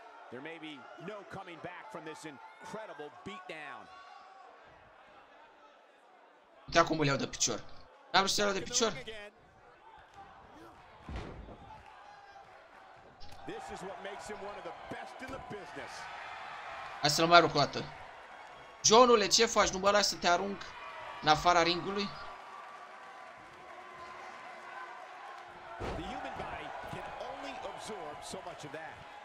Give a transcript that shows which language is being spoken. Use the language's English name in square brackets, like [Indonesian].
[English] There may be no coming back from this incredible beatdown. [Romanian] Da cum îl iau de picior. Am vrut să iau de picior. [English] This is what makes him one of the best in the business. [Romanian] Hai să-l mai arunc o dată. Johnule, ce faci? Nu mă lași să te arunc în afara ringului? [English] The human body can only absorb so much of that.